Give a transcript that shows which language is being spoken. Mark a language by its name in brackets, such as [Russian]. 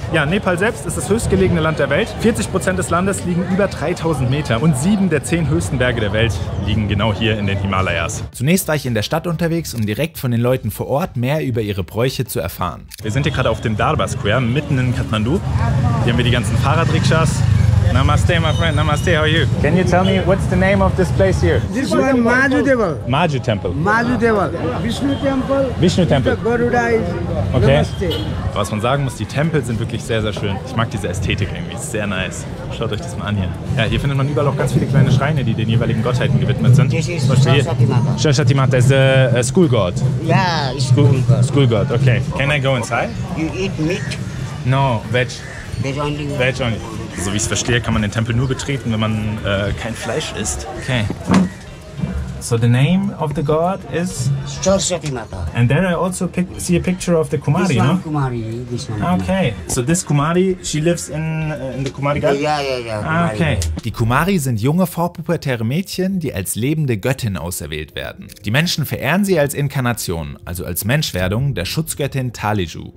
[German] Ja, Nepal selbst ist das höchstgelegene Land der Welt. 40% des Landes liegen über 3000 Meter und 7 der 10 höchsten Berge der Welt liegen genau hier in den Himalayas. Zunächst war ich in der Stadt unterwegs, um direkt von den Leuten vor Ort mehr über ihre Bräuche zu erfahren. Wir sind hier gerade auf dem Darbar Square, mitten in Kathmandu. Hier haben wir die ganzen Fahrradrikschas. [English] Namaste, my friend. Namaste, how are you? Can you tell me what's the name of this place here? This is Maju Deval. Maju Temple. Maju Deval. Vishnu Temple. Vishnu Temple. Garuda is okay. Namaste. [German] Was man sagen muss, die Tempel sind wirklich sehr, sehr schön. Ich mag diese Ästhetik irgendwie, ist sehr nice. Schaut euch das mal an hier. Ja, hier findet man überall auch ganz viele kleine Schreine, die den jeweiligen Gottheiten gewidmet sind. [English] This is Shoshatimata. Shoshatimata is a school god. Yeah, school god. School god, okay. Can I go inside? You eat meat? No, veg. Veg only. Veg only. [German] So wie ich es verstehe, kann man den Tempel nur betreten, wenn man kein Fleisch isst. [English] Okay. So the name of the god is? Shoshatimata. And there I also see a picture of the Kumari, this one, no? Kumari, this one. Okay. So this Kumari, she lives in the Kumari garden? Yeah. Okay. [German] Die Kumari sind junge vorpubertäre Mädchen, die als lebende Göttin auserwählt werden. Die Menschen verehren sie als Inkarnation, also als Menschwerdung der Schutzgöttin Taliju.